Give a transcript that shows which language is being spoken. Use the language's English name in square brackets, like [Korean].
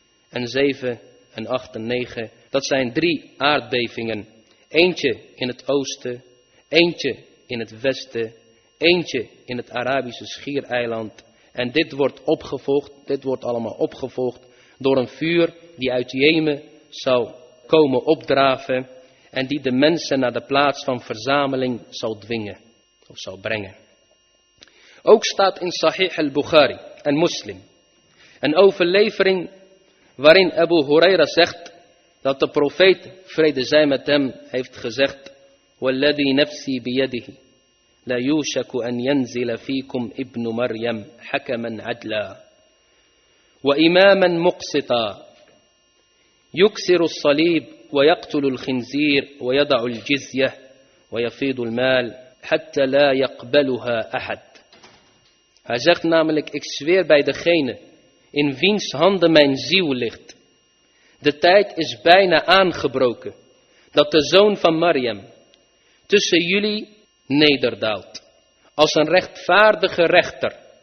[Dutch] en 7 en 8 en 9, dat zijn 3 aardbevingen, eentje in het oosten, eentje in het westen, eentje in het Arabische schiereiland. En dit wordt opgevolgd, dit wordt allemaal opgevolgd door een vuur die uit Jemen zal komen opdraven en die de mensen naar de plaats van verzameling zal dwingen of zal brengen. Ook staat in Sahih al-Bukhari en Muslim een overlevering waarin Abu Huraira zegt dat de profeet, vrede zij met hem, heeft gezegd, [Arabic] وَالَّذِي نَفْسِي بِيَدِهِ لَا يُوشَكُ أَنْ يَنْزِلَ فِيكُمْ إِبْنُ مَرْيَمْ حَكَمًا عَدْلًا وَإِمَامًا مُقْسِطًا يُكْسِرُ الصَّلِيبُ وَيَقْتُلُ الْخِنْزِيرُ وَيَضَعُ الْجِزْيَةُ وَيَفِيدُ الْمَالُ حَتَّى لَا يَقْبَلُهَا أَحَدٌ. [Dutch] Hij zegt namelijk, ik zweer bij degene in wiens handen mijn ziel ligt. De tijd is bijna aangebroken dat de zoon van Mariam tussen jullie nederdaalt als een rechtvaardige rechter.